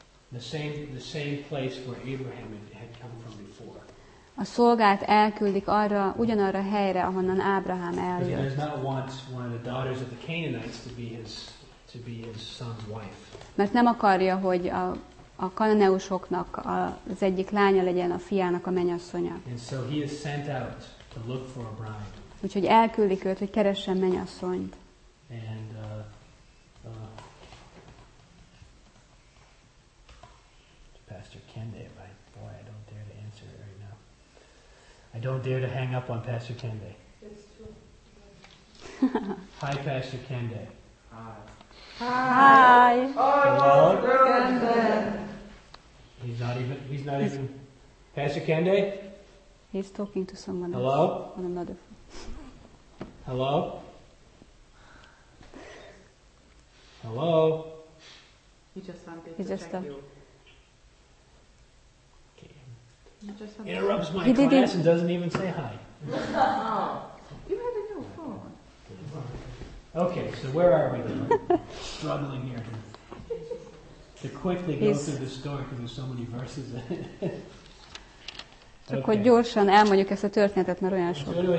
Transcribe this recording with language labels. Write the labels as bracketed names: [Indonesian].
[English] The same place where Abraham had come from before. [Hungarian] A szolgát elküldik arra, ugyanarra a helyre, ahonnan Ábrahám eljött. [English] He does not want one of the daughters of the Canaanites to be his son's wife. [Hungarian] Mert nem akarja, hogy a kananeusoknak az egyik lánya legyen a fiának a menyasszonya. [English] And so he is sent out to look for a bride. [Hungarian] Úgyhogy elküldik őt, hogy keressen menyasszonyt. [English] And Pastor Kende, boy, I don't dare to answer it right now. I don't dare to hang up on Pastor Kende. That's true. Hi, Pastor Kende. Hi. Hi. Hi, Pastor Kende. He's not even. Pastor Kende? He's talking to someone Hello? Else. Hello? On another phone. Hello? Hello? He just interrupts my class and doesn't even say hi. You had a new phone. Okay, so where are we? Struggling here to quickly go through the story because there's so many verses in it. [Hungarian] Csak okay. Hogy gyorsan elmondjuk ezt a történetet, mert olyan sok.